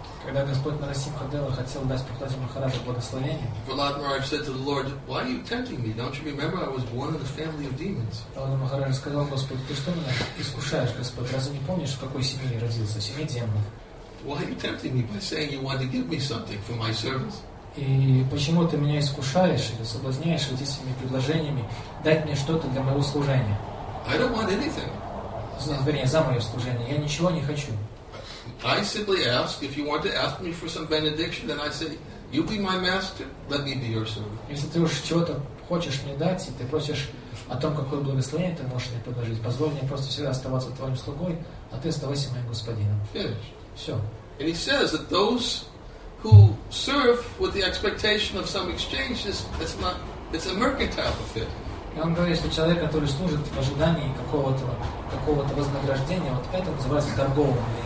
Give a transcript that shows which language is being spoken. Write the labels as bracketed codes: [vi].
[ru] Когда Господь Нарасимха Дева хотел дать Прахладе Махараджу благословение, [en] Прахлад Махарадж said to the Lord, "Why are you tempting me? Don't you remember I was born in the family of demons?" [ru] Прахлада Махарадж сказал: "Господь, ты что меня искушаешь, Господь? Разве не помнишь, в какой семье я родился, в семье демонов?" [en] Why are you tempting me by saying you want to give me something for my service? [ru] И почему ты меня искушаешь или соблазняешь вот этими предложениями дать мне что-то для моего служения? [en] I don't want anything. [ru] Вернее, за мое служение я ничего не хочу. [en] I simply ask if you want to ask me for some benediction, then I say, "You be my master, let me be your servant." [ru] Если ты уж чего-то хочешь мне дать, и ты просишь о том, какое благословение ты можешь мне предложить, позволь мне просто всегда оставаться твоим слугой, а ты оставайся моим господином. [en] Finish. [ru] Все. [en] And he says that those who serve with the expectation of some exchange, it's a mercantile affair. [ru] И он говорит, что человек, который служит в ожидании какого-то вознаграждения, вот это называется торговым.